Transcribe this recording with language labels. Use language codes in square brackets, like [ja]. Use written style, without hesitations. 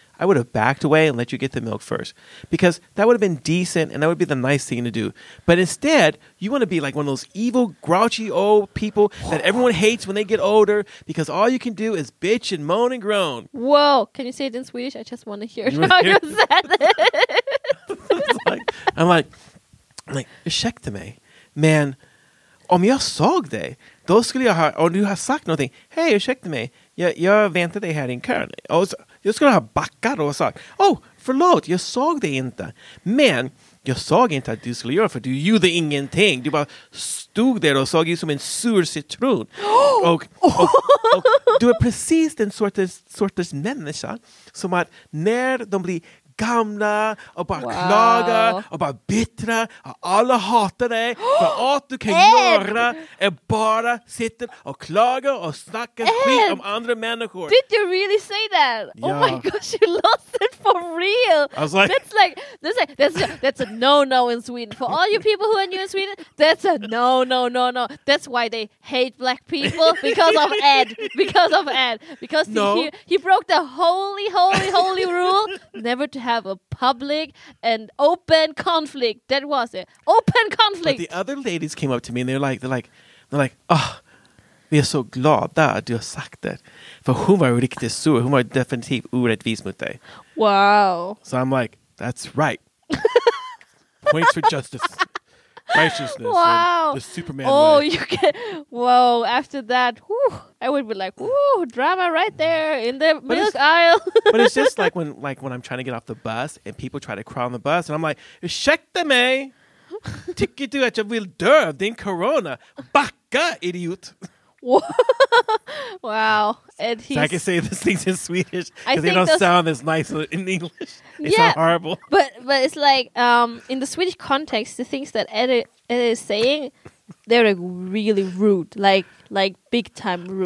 [en] I would have backed away and let you get the milk first, because that would have been decent and that would be the nice thing to do. But instead, you want to be like one of those evil, grouchy old people that everyone hates when they get older, because all you can do is bitch and moan and groan. Whoa. Can you say it in Swedish? I just want to hear you how you said it. I'm like, [sv] ursäkta mig, man, om jag såg dig, då skulle jag ha, om du har sagt någonting, hej, ursäkta mig, jag väntade här i kön. Jag skulle ha backat och sagt, oh, förlåt, jag såg dig inte. Men jag såg inte att du skulle göra, för du gjorde ingenting. Du bara stod där och såg ju som en sur citron. Och du är precis den sortens människa som att när de blir gamla och bara klaga och bara bittra och alla hatar dig, för allt du kan göra är bara sitta och klaga och snacka skit om andra människor. [en] Did you really say that? Yeah. Oh my gosh, you lost it for real. I was like, that's a no-no in Sweden. For all you people who are new in Sweden, that's a no-no-no-no. That's why they hate black people, because of Ed. Because no. he broke the holy rule never to have a public and open conflict. That was it. Open conflict. But the other ladies came up to me and they're like, oh, [sv] vi är så glada att du har sagt det. För hon var riktigt sur. Hon var definitivt orättvis mot dig. [en] Wow. So I'm like, that's right. Points for justice. Righteousness. Wow. The Superman. Oh, way. You can. Whoa. After that, whew, I would be like, whoo, drama right there in the milk aisle. But it's just like when I'm trying to get off the bus and people try to crowd on the bus, and I'm like, [sv] ursäkta mig. Tycker du att jag vill dö av din corona? Backa, idiot. [en] Wow. So I can say these things in Swedish because they don't sound as nice in English. They sound horrible. But it's like, in the Swedish context, the things that Ed is saying, they're like really rude, like big time rude.